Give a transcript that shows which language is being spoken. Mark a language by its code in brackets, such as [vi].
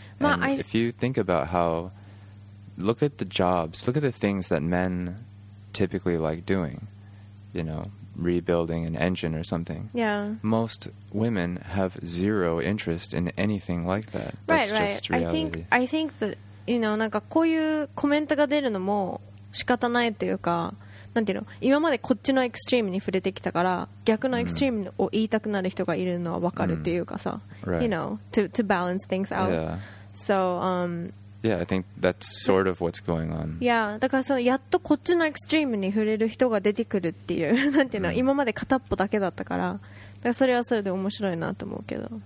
[en] And if you think about how, look at the jobs, look at the things that men typically like doing, you know, rebuilding an engine or something. Yeah. Most women have zero interest in anything like that. That's just reality. I think that, you know, [ja] なんかこういうコメントが出るのも仕方ないっていうか、なんていうの、今までこっちのエクストリームに触れてきたから逆のエクストリームを言いたくなる人がいるのは分かるっていうかさ、 [en] right. you know, to balance things out. Yeah. So, yeah, I think that's sort of what's going on. [ja] Yeah, だからそのやっとこっちのエクストリームに触れる人が出てくるっていう、なんていうの、今まで片っぽだけだったから、だからそれはそれで面白いなと思うけど。